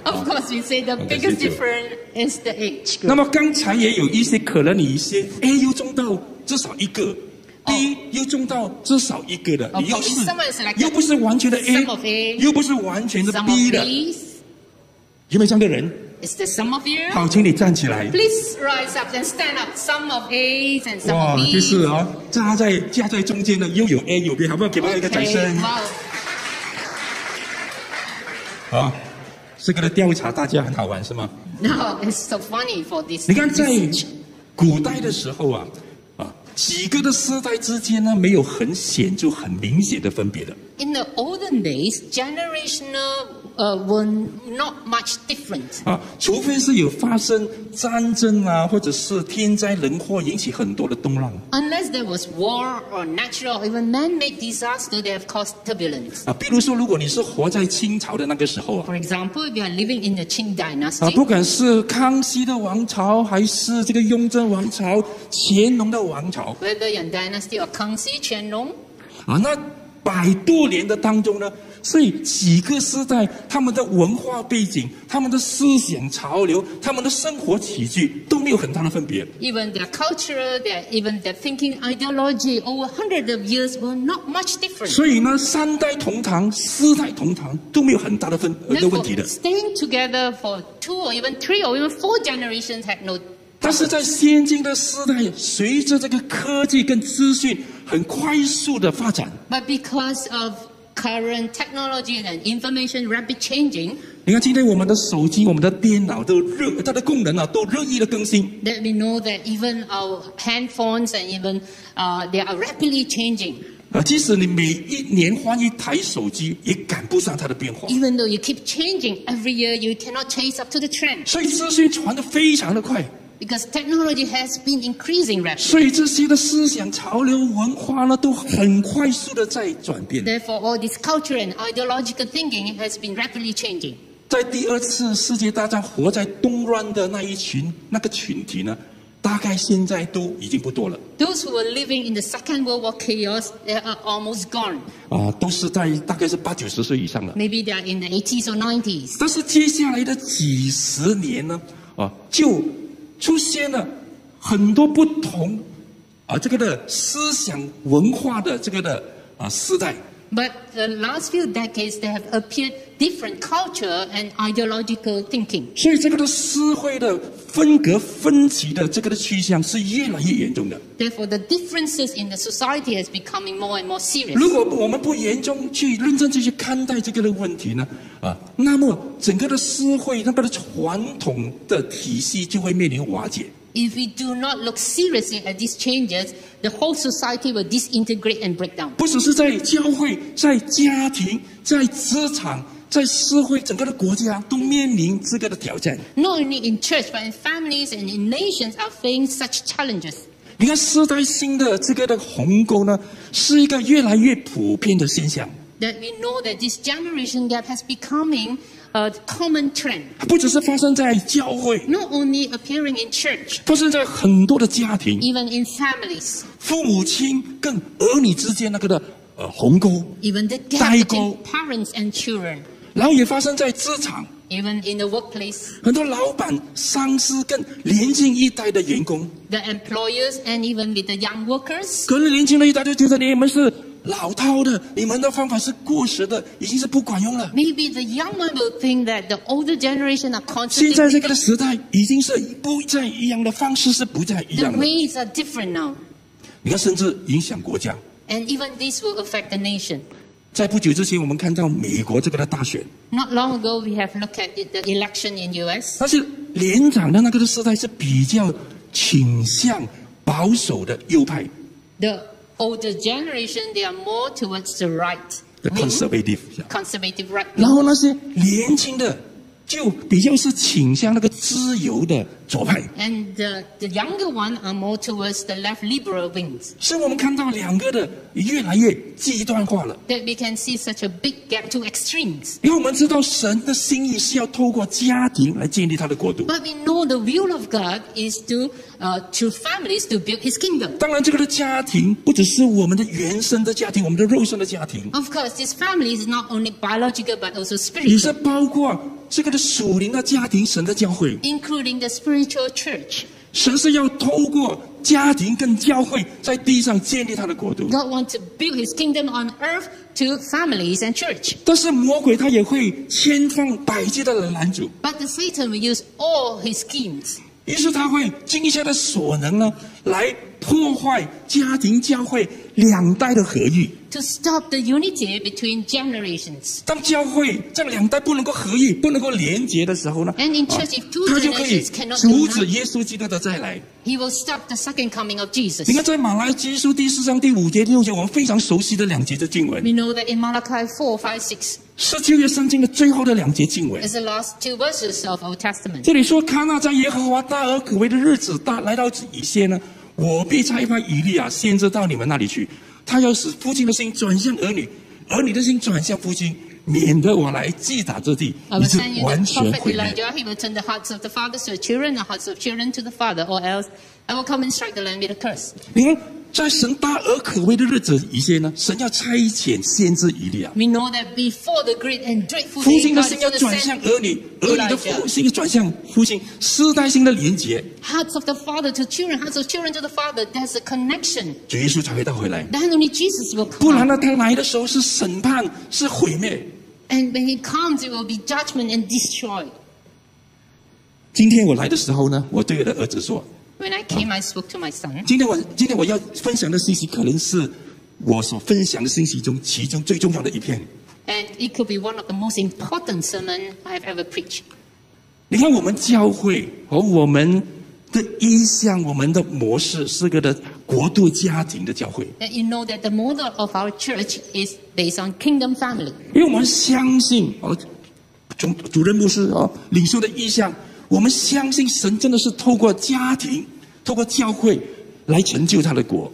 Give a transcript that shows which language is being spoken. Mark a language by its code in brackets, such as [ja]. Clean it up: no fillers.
[en] Of course, we say the biggest difference is the age group. [zh] 那么刚才也有一些可能，你一些 A 又中到至少一个 ，B 又中到至少一个的，你要是又不是完全的 A， 又不是完全的 B 的，有没有这样的人？ [en] Is there some of you? [zh] 好，请你站起来。 [en] Please rise up and stand up. Some of A's and some of B's. [zh] 哇，就是哦，夹在中间的又有 A 有 B， 好不好？给他一个掌声。 [en] Okay, wow. [zh] 好，这个的调查大家很好玩是吗 [en] ？No, it's so funny for this. [zh] 你看，在古代的时候啊，几个的世代之间呢，没有很显著、很明显的分别的。 [en] In the olden days, generational were not much different. [zh] 啊，除非是有发生战争啊，或者是天灾人祸引起很多的动乱。 [en] Unless there was war or natural, even man-made disaster, they have caused turbulence. [zh] 啊，比如说，如果你是活在清朝的那个时候啊。 [en] For example, if you are living in the Qing Dynasty. [zh] 啊，不管是康熙的王朝，还是这个雍正王朝、乾隆的王朝。 [en] Whether Yang Dynasty or 康熙、乾隆。 [zh] 啊，那百多年的当中呢？所以几个世代他们的文化背景他们的思想潮流他们的生活起居都没有很大的分别 [en] even their culture even their thinking ideology over hundreds of years were not much different [zh] 所以呢三代同堂四代同堂都没有很大的问题的 [en] staying together for two or even three or even four generations had no [zh] 但是在先进的时代随着这个科技跟资讯很快速的发展 [en] but because ofcurrent technology and information rapid changing. [zh] 你看，今天我们的手机、我们的电脑都它的功能啊，都日益的更新。 [en] Let me know that even our handphones and even they are rapidly changing. [zh] 即使你每一年换一台手机，也赶不上它的变化。 [en] Even though you keep changing every year, you cannot chase up to the trend. [zh] 所以资讯传得非常的快。 [en] Because technology has been increasing rapidly. [zh] 所以这些的思想潮流文化呢都很快速的在转变。 [en] Therefore, all this culture and ideological thinking has been rapidly changing. [zh] 在第二次世界大战活在动乱的那个群体呢大概现在都已经不多了。 [en] Those who were living in the Second World War chaos, they are almost gone. [zh] 都是在大概是八九十岁以上了。 [en] Maybe they are in the 80s or 90s. [zh] 但是接下来的几十年呢就出现了很多不同这个的思想文化的这个的时代 [en] but the last few decades there have appeared different culture and ideological thinking [zh] 所以这个的社会的分隔分歧的这个的趋向是越来越严重的 [en] therefore the differences in the society is becoming more and more serious [zh] 如果我们不严重去认真去看待这个的问题呢那么整个的社会那个的传统的体系就会面临瓦解 [en] If we do not look seriously at these changes the whole society will disintegrate and break down [zh] 不只是在教会在家庭在职场在社会整个的国家都面临这个的挑战 [en] Not only in church but in families and in nations are facing such challenges [zh] 你看世代性的这个的鸿沟呢是一个越来越普遍的现象 [en] That we know that this generation gap has becoming a common trend. [zh] 不只是发生在教会 [en] Not only appearing in church. [zh] 发生在很多的家庭 [en] Even in families. [zh] 父母亲跟儿女之间那个的鸿沟 [en] Even the gap between parents and children. [zh] 然后也发生在职场 [en] even in the workplace. [zh] 很多老板、上司跟年轻一代的员工。 [en] The employers and even with the young workers. [zh] 可能年轻的一代就觉得你们是老套的，你们的方法是过时的，已经是不管用了。 [en] Maybe the young one will think that the older generation are constantly. [zh] 现在这个时代已经是不再一样的方式是不再一样的。 [en] The ways are different now. [zh] 你看，甚至影响国家。 [en] And even this will affect the nation. [zh] 在不久之前，我们看到美国这个的大选。 [en] Not long ago, we have looked at the election in US. [zh] 但是年长的那个的世代是比较倾向保守的右派。 [en] The older generation, they are more towards the right. The conservative. Conservative right. [zh] 然后那些年轻的就比较是倾向那个自由的左派。 [en] And the younger one are more towards the left liberal wings. [zh] 是我们看到两个的越来越极端化了。 [en] That we can see such a big gap to extremes. [zh] 因为我们知道神的心意是要透过家庭来建立他的国度。 [en] But we know the will of God is to families to build his kingdom. [zh] 当然这个的家庭不只是我们的原生的家庭，我们的肉身的家庭。 [en] Of course, this family is not only biological but also spiritual. [zh] 也是包括这个的属灵的家庭，神的教会 [en] ，including the spiritual church， [zh] 神是要透过家庭跟教会在地上建立他的国度。 [en] God wants to build His kingdom on earth to families and church。 [zh] 但是魔鬼他也会千方百计的拦阻。 [en] But the Satan will use all his schemes。 [zh] 于是他会尽一切的所能呢，来破坏家庭教会两代的合一。 [en] To stop the unity between generations. [zh] 当教会这两代不能够合一，不能够连结的时候呢？ [en] And in church, if two generations cannot unite, [zh] 他就可以阻止耶稣基督的再来。 [en] He will stop the second coming of Jesus. [zh] 你看，在马拉基书第四章第五节、第六节，我们非常熟悉的两节的经文。 [en] We know that in Malachi 4:5-6, [zh] 是旧约圣经的最后的两节经文。 [en] It's the last two verses of Old Testament. [zh] 这里说，看那在耶和华大而可畏的日子大来到以先呢，我必差派以利亚先知到你们那里去。他要使父亲的心转向儿女，儿女的心转向父亲，免得我来击打这地，以致完全毁灭。 [en] He will turn the hearts of the fathers to the children, the hearts of children to the father, or else I will come and strike the land with a curse. [zh] 你看，在神大而可畏的日子以前呢，神要差遣先知以利亚。 [en] We know that before the great and dreadful day, [zh] 父亲的心要转向儿女，儿女的父亲转向父亲，世代性的连结。 [en] Hearts of the father to children, hearts of children to the father. There's a connection. [zh] 主耶稣才会到回来。 [en] Then only Jesus will come. [zh] 不然呢，他来的时候是审判，是毁灭。 [en] And when he comes, it will be judgment and destroy. [zh] 今天我来的时候呢，我对我的儿子说。 [en] When I came, I spoke to my son. [zh] 今天我要分享的信息，可能是我所分享的信息中其中最重要的一篇。 [en] And it could be one of the most important sermon I've ever preached. [zh] 你看，我们教会和我们的意向、我们的模式是个的国度家庭的教会。 [en] And you know that the model of our church is based on kingdom family. [zh] 因为我们相信，主任牧师领袖的意向。我们相信神真的是透过家庭、透过教会来成就他的国。